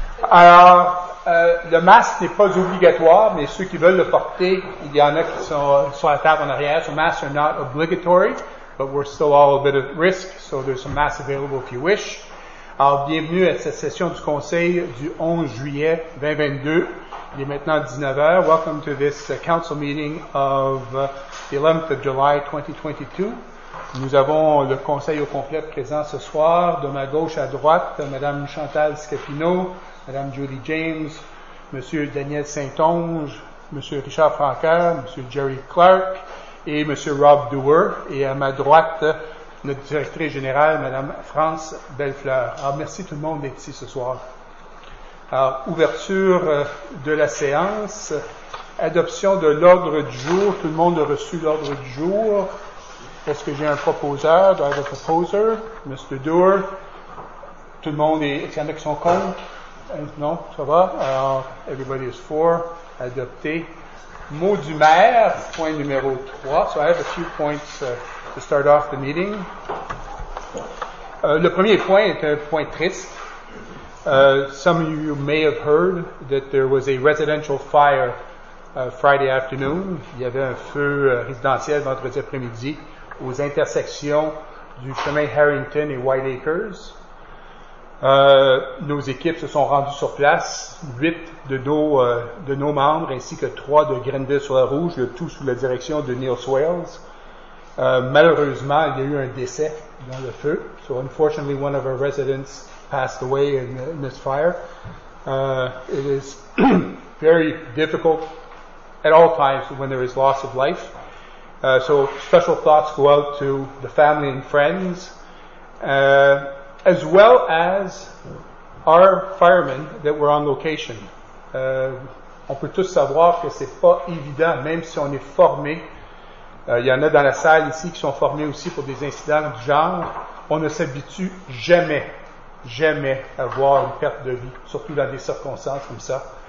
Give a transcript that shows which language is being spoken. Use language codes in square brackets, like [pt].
[fr] Alors, le masque n'est pas obligatoire, mais ceux qui veulent le porter, il y en a qui sont sur la table en arrière. [en] So, masks are not obligatory, but we're still all a bit at risk, so there's some masks available if you wish. [fr] Alors, bienvenue à cette session du conseil du 11 juillet 2022. Il est maintenant 19h. [en] Welcome to this council meeting of the 11th of July 2022. [fr] Nous avons le conseil au complet présent ce soir. De ma gauche à droite, Mme Chantal Scapino, Mme Judy James, M. Daniel Saint-Onge, M. Richard Francaire, M. Jerry Clark et M. Rob Dewar. Et à ma droite, notre directrice générale, Mme France Bellefleur. Alors, merci tout le monde d'être ici ce soir. Alors, ouverture de la séance, adoption de l'ordre du jour. Tout le monde a reçu l'ordre du jour. Est-ce que j'ai un proposeur? [en] Do I have a proposer? [fr] Mr. Dewar? Tout le monde est... Est-ce qu'il y en a qui sont contre? Non? Ça va? Alors, [en] everybody is for. [fr] Adopté. Mot du maire, point numéro 3. [en] So I have a few points to start off the meeting. [fr] Le premier point est un point triste. [en] Some of you may have heard that there was a residential fire Friday afternoon. [fr] Il y avait un feu résidentiel vendredi après-midi aux intersections du chemin Harrington et White Acres. Nos équipes se sont rendues sur place, 8 de nos membres ainsi que 3 de Grenville-sur-la-Rouge, le tout sous la direction de Neil Swales. Malheureusement, il y a eu un décès dans le feu. [en] So unfortunately, one of our residents passed away in this fire. It is very difficult at all times when there is loss of life. So special thoughts go out to the family and friends, as well as our firemen that were on location. [fr] On peut tous savoir que c'est pas évident, même si on est formé. Il y en a dans la salle ici qui sont formés aussi pour des incidents du genre. On ne s'habitue jamais avoir une perte de vie, surtout dans des circonstances comme ça.